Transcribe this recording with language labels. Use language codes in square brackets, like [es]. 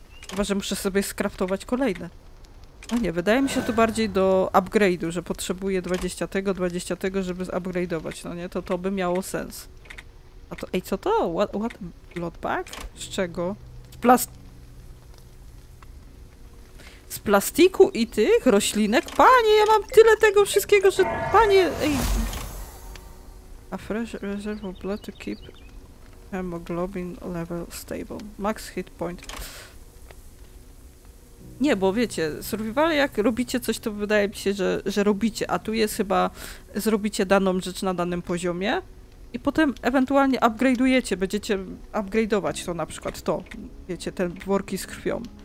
[pl] Chyba, że muszę sobie skraftować kolejne. O nie, wydaje mi się to bardziej do upgrade'u, że potrzebuję 20 tego, żeby zupgrade'ować, no nie? To by miało sens. A to, ej, co to? [en] What? [pl] Lotback? Z czego? Z plastiku i tych roślinek? Panie, ja mam tyle tego wszystkiego, że... Panie, ej... [en] A fresh reserve of blood to keep hemoglobin level stable. Max hit point. [pl] Nie, bo wiecie, survival, jak robicie coś, to wydaje mi się, że robicie. A tu jest chyba, zrobicie daną rzecz na danym poziomie i potem ewentualnie upgrade'ujecie, będziecie upgrade'ować to na przykład, to, wiecie, te worki z krwią.